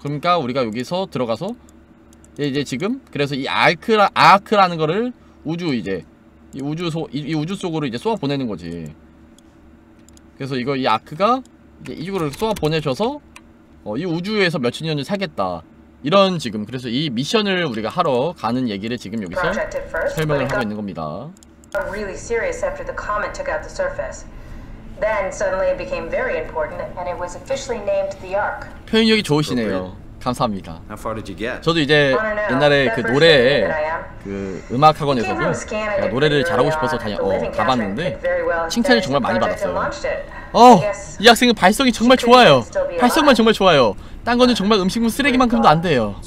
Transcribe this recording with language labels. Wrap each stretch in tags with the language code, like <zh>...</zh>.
<ko>그러니까 우리가 여기서 들어가서 이제 지금 그래서 이 아크라는 거를 우주 이제 이 우주 속으로 이제 쏘아 보내는 거지. 그래서 이거 이 아크가 이제 이쪽으로 쏘아 보내줘서 이 우주에서 몇천 년을 살겠다 이런 지금 그래서 이 미션을 우리가 하러 가는 얘기를 지금 여기서 설명을 하고 있는 겁니다.</ko> <en>Really serious after the comet took out the surface. Then suddenly it became very important, and it was officially named the Ark.</en> <ko>표현력이 좋으시네요. 감사합니다.</ko> <en>How far did you get?</en> <ko>저도 이제 옛날에 그 노래 그 음악 학원에서 노래를 잘하고 싶어서 가봤는데 칭찬을 정말 많이 받았어요. 이 학생은 발성이 정말 좋아요. 발성만 정말 좋아요. 딴 거는 정말 음식물 쓰레기만큼도 안 돼요.</ko>